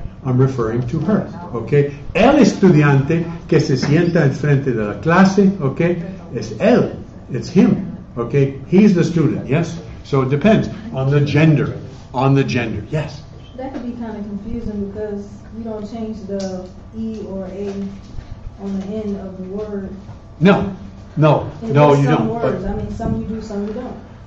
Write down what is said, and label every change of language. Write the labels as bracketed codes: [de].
[en] I'm referring to her, okay? [es] El estudiante que se sienta en frente de la clase, [en] okay? [es] Es él, [en] it's him, okay? He's the student, yes? So it depends on the gender, yes? That could be kind of confusing because we don't change the E or A on the end of the word. No, you don't. Some words, but, I mean, some you do, some you don't.